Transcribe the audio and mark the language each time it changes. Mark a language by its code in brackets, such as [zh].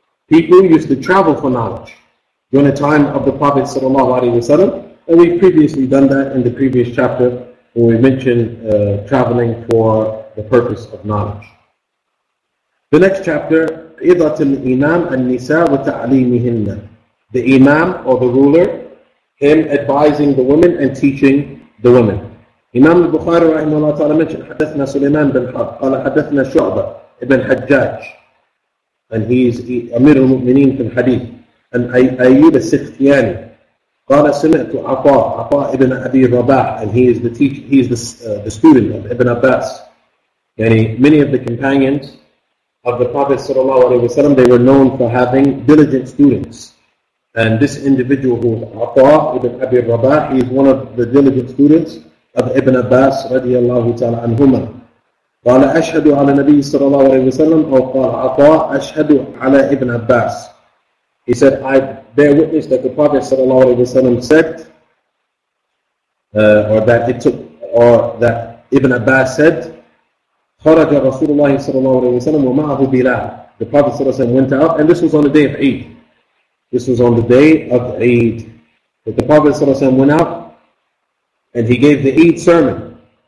[en] People used to travel for knowledge during the time of the Prophet sallallahu alaihi wasallam. And we've previously done that in the previous chapter where we mentioned traveling for the purpose of knowledge. The next chapter, [ar] إِذَةِ الْإِمَامِ النِّسَاءِ وَتَعْلِيمِهِنَّ. [en] The Imam or the ruler, him advising the women and teaching the women. Imam al-Bukhari rahimahullah ta'ala mentioned, [ar] حدثنا سليمان بن حرب قال حدثنا شعبة ابن حجاج, [en] and he is [ar] أمير المؤمنين في الحديث, and أيوب السختياني قال سمعت عطاء, عطاء ابن أبي رباح, [en] and he is the teacher, he is the, the student of Ibn Abbas. [ar] يعني [en] many of the companions of the Prophet صلى الله عليه وسلم, they were known for having diligent students. And this individual who is عطاء ابن أبي رباح, he is one of the diligent students of Ibn Abbas رضي الله تعالى عنهما. [ar] قال أشهد على النبي صلى الله عليه وسلم, أو قال عطاء أشهد على ابن أباس. [en] He said, I bear witness that the Prophet صلى الله عليه وسلم said, or that it took, or that Ibn Abbas said, [ar] خرج رسول الله صلى الله عليه وسلم ومعه بلال. [en] The Prophet صلى الله عليه وسلم went out, and this was on the day of Eid. This was on the day of Eid that the Prophet صلى الله عليه وسلم went out, and he gave the Eid sermon.